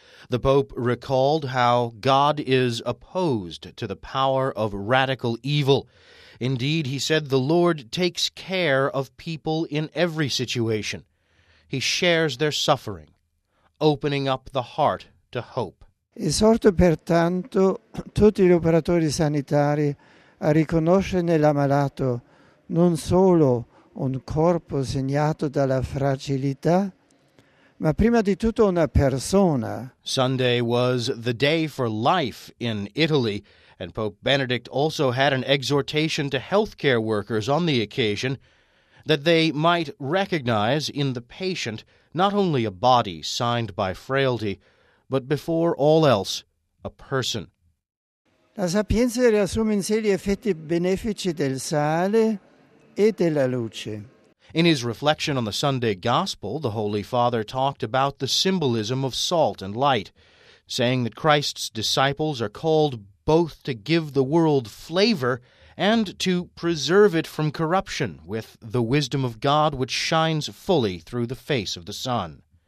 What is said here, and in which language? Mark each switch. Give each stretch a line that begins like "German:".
English: The Pope recalled how God is opposed to the power of radical evil. Indeed, he said, the Lord takes care of people in every situation. He shares their suffering, opening up the heart to hope.
Italian: Esorto pertanto tutti gli operatori sanitari a riconoscere nell'ammalato non solo un corpo segnato dalla fragilità, ma prima di tutto una persona.
English: Sunday was the day for life in Italy, and Pope Benedict also had an exhortation to healthcare workers on the occasion that they might recognize in the patient not only a body signed by frailty, but before all else, a person.
Italian: La sapienza riassume in sé gli effetti benefici del sale e della luce.
English: In his reflection on the Sunday Gospel, the Holy Father talked about the symbolism of salt and light, saying that Christ's disciples are called both to give the world flavor and to preserve it from corruption with the wisdom of God which shines fully through the face of the sun.